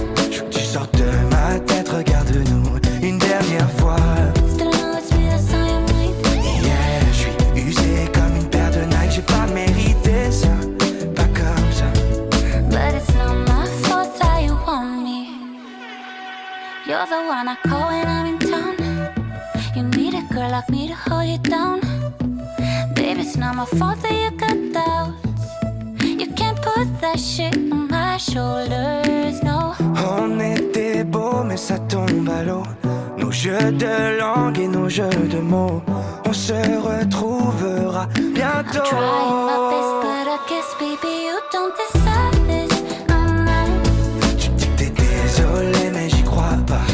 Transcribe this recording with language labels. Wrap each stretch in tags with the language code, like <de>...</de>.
<fr>Je veux que tu sortes de ma tête, regarde-nous une dernière fois.</fr> <en>Still know it's me that's on your mind.</en> <fr>Yeah, je suis usé comme une paire de Nike. J'ai pas mérité ça, pas comme ça.</fr> <en>But it's not my fault that you want me. You're the one I call when I'm in town. You need a girl like me to hold you down. Baby, it's not my fault that you got doubts. You can't put that shit on my shoulders, no.</en> <fr>On était beau, mais ça tombe à l'eau. Nos jeux de langue et nos jeux de mots. On se retrouvera bientôt.</fr> <en>I'm trying my best, but I guess baby you don't deserve this.</en> <fr>Tu dis que t'es désolé, mais j'y crois pas.</fr>